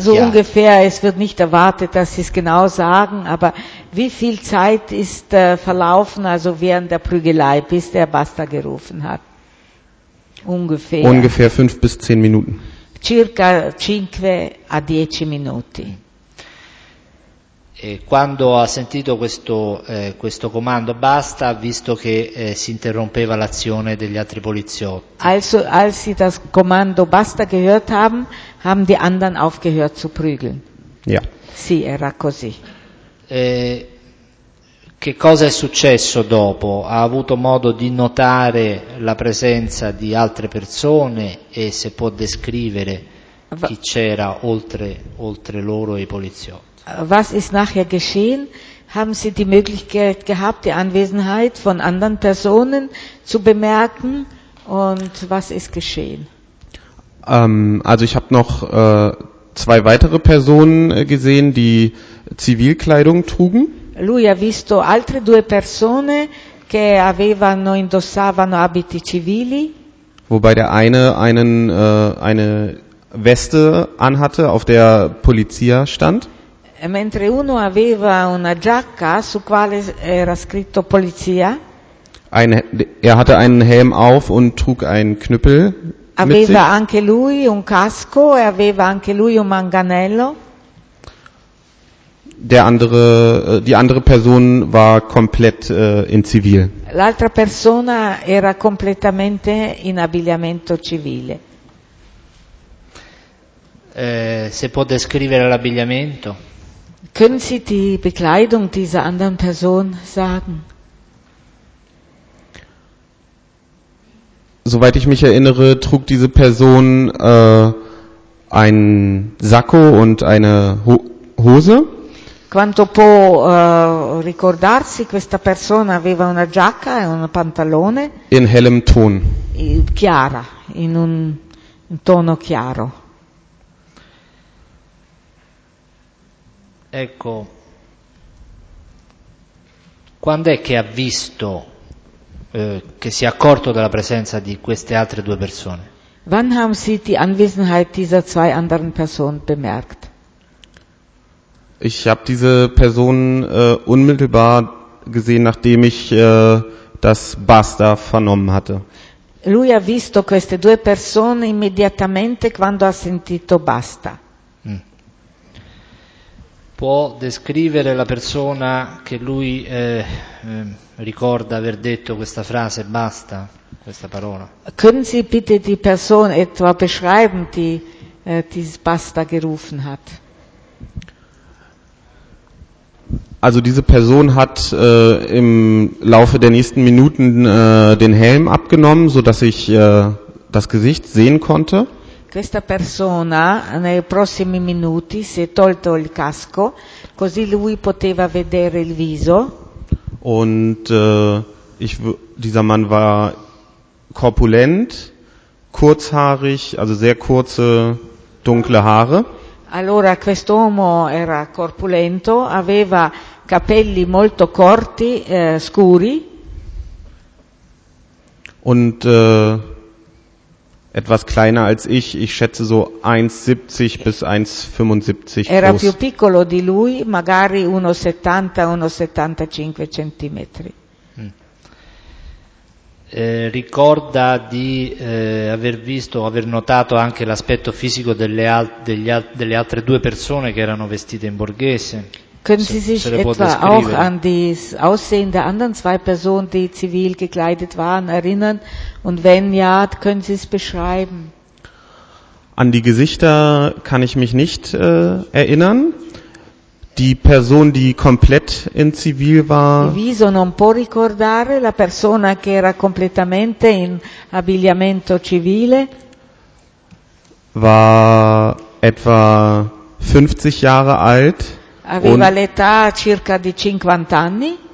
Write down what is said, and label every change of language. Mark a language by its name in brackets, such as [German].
[German] So ungefähr, es wird nicht erwartet, dass Sie es genau sagen, aber wie viel Zeit ist verlaufen, also während der Prügelei, bis der Basta gerufen hat? Ungefähr. Ungefähr 5 bis 10 Minuten. [Italian] Circa 5 a 10 minuti. E quando ha sentito questo questo comando basta, ha visto che si interrompeva l'azione degli altri poliziotti. [German] Also, als sie das Kommando basta gehört haben, haben die anderen aufgehört zu prügeln. Ja. [Italian] Sì, era così. Che cosa è successo dopo? Ha avuto modo di notare la presenza di altre persone e se può descrivere chi c'era oltre loro e i poliziotti? [German] Was ist nachher geschehen? haben Sie die Möglichkeit gehabt, die Anwesenheit von anderen Personen zu bemerken? Und was ist geschehen? Also ich habe noch zwei weitere Personen gesehen, die Zivilkleidung trugen. [Italian] Lui ha visto altre due persone che avevano indossavano abiti civili. [German] Wobei der eine eine Weste anhatte, auf der Polizia stand. [Italian] Mentre uno aveva una giacca su quale era scritto Polizia. [German] Er hatte einen Helm auf und trug einen Knüppel. [Italian] Aveva anche lui un casco e aveva anche lui un manganello. [German] Die andere Person war komplett in Zivil. [Italian] L'altra persona era completamente in abbigliamento civile. Se può descrivere l'abbigliamento. [German] Können Sie die Bekleidung dieser anderen Person sagen? Soweit ich mich erinnere, trug diese Person einen Sakko und eine Hose. [Italian] Quanto può ricordarsi, questa persona aveva una giacca e un pantalone. [German] In hellem Ton. [Italian] Chiara, in un tono chiaro. Ecco, quando è che ha visto, che si è accorto della presenza di queste altre due persone? [German] Wann haben Sie die Anwesenheit dieser zwei anderen Personen bemerkt? Ich habe diese Person unmittelbar gesehen, nachdem ich das Basta vernommen hatte. [Italian] Lui ha visto queste due persone immediatamente quando ha sentito Basta. Può descrivere la persona che lui ricorda aver detto questa frase basta, questa parola? [German] Können Sie bitte die Person etwa beschreiben, die dieses Basta gerufen hat? Also diese Person hat im Laufe der nächsten Minuten den Helm abgenommen, so dass ich das Gesicht sehen konnte. [Italian] Questa persona nei prossimi minuti si è tolto il casco, così lui poteva vedere il viso. [German] Und dieser Mann war korpulent, kurzhaarig, also sehr kurze dunkle Haare. [Italian] Allora quest'uomo era corpulento, aveva capelli molto corti, scuri. [German] Und etwas kleiner als ich schätze so 1,70 bis 1,75 groß. [Italian] Era più piccolo di lui, magari 1,70-1,75 centimetri. Ricorda di aver visto, aver notato anche l'aspetto fisico delle altre due persone che erano vestite in borghese. [German] Können Sie sich etwa auch an das Aussehen der anderen zwei Personen, die zivil gekleidet waren, erinnern? Und wenn ja, können Sie es beschreiben? An die Gesichter kann ich mich nicht erinnern. Die Person, die komplett in Zivil war. [Italian] Il viso non può ricordare la persona che era completamente in abbigliamento civile. [German] War etwa 50 Jahre alt. [Italian] Aveva l'età circa di 50 anni.